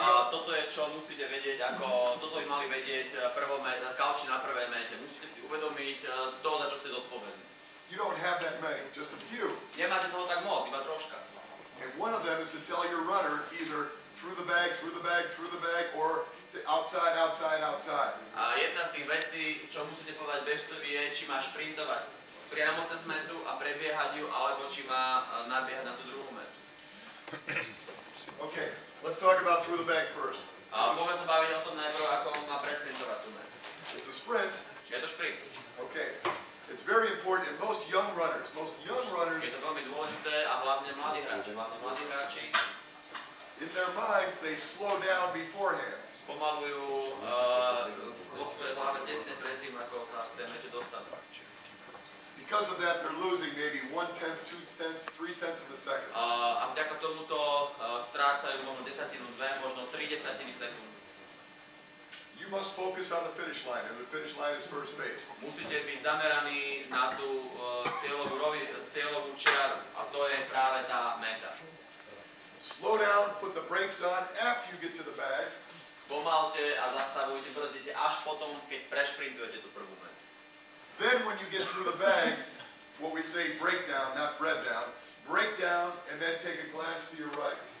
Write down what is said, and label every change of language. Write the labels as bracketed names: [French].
[Slovak] Toto je čo musíte vedieť, ako toto by mali vedieť kauči na prvé mete. Musíte si uvedomiť to, za čo ste zodpovední. [English] You don't have that many, just a few. [Slovak] Nemáte toho tak moc, iba troška. [English] And one of them is to tell your runner either through the bag, through the bag, through the bag, or to outside, outside, outside. [Slovak] A jedna z tých vecí, čo musíte povedať bežcovi, je, či má šprintovať priamo cez metu a prebiehať ju, alebo či má nabiehať na tú druhú metu. [English] Okay, let's talk about through the bag first. [Slovak] A poďme sa baviť o tom najprv, ako on má prešprintovať tú metu. [English] It's a sprint. [Slovak] Je to sprint. [English] Okay. It's very important, and most young runners, [Slovak] je to veľmi dôležité, a hlavne mladí hráči, [English] in their minds, they slow down beforehand. [Slovak] Spomalujú vo svojej hlave tesne predtým, ako sa v tej mete dostanú. [English] Because of that, they're losing maybe 1/10, 2/10, 3/10 of a second. [Slovak] A vďaka tomuto strácajú možno desatinu, dve, možno 3/10 sekundy. [English] You must focus on the finish line, and the finish line is first base. [Slovak] Musíte byť zameraní na tú cieľovú čiaru, a to je práve tá meta. [English] Slow down, put the brakes on after you get to the bag. [Slovak] Spomalte a zastavujte, brzdite až potom, keď prešprintujete tú prvú metu. [English] Then when you get through the bag, what we say break down, not bread down, break down and then take a glance to your right.